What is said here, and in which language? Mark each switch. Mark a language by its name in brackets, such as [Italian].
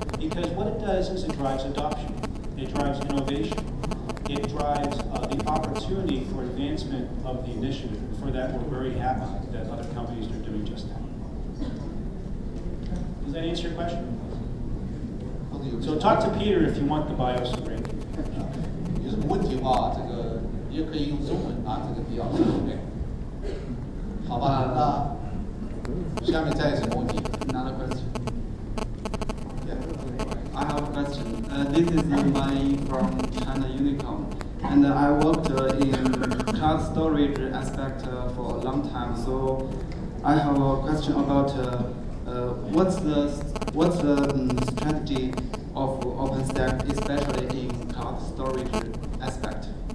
[English] Because what it does is it drives adoption, it drives innovation, it drives the opportunity for advancement of the initiative. For that, we're very happy that other companies are doing just that. Does that answer your question? So talk to Peter if you want the BIOS break. [Chinese] 有什么问题的话，这个也可以用中文啊，这个比较方便。好吧，那下面再什么问题 [English] ？Another question. Yeah, I have a question. This is Yimai from China Unicom, and I worked in cloud storage aspect for a long time. So I have a question about. What's the strategy of OpenStack, especially in cloud storage aspect?